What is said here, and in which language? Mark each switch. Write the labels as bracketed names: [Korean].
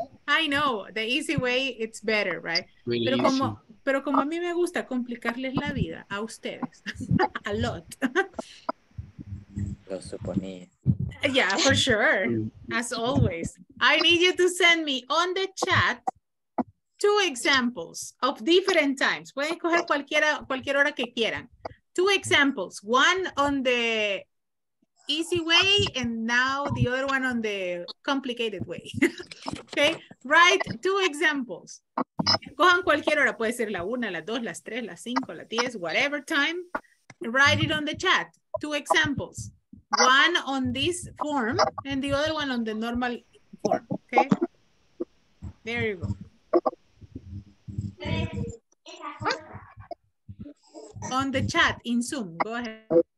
[English] I know, the easy way, it's better, right? Really, [Spanish] pero como, pero como a mí me gusta complicarles la vida a ustedes, [English] a lot. [Spanish] Lo suponía. [English] Yeah, for sure, as always. I need you to send me on the chat two examples of different times. [Spanish] Pueden coger cualquiera, cualquier hora que quieran. [English] Two examples, one on the easy way and now the other one on the complicated way. Okay, write two examples. [Spanish] Cojan cualquier hora, puede ser la una, las dos, las tres, las cinco, las diez, [English] whatever time. Write it on the chat, two examples. One on this form and the other one on the normal form, okay? There you go. On the chat in Zoom, go ahead.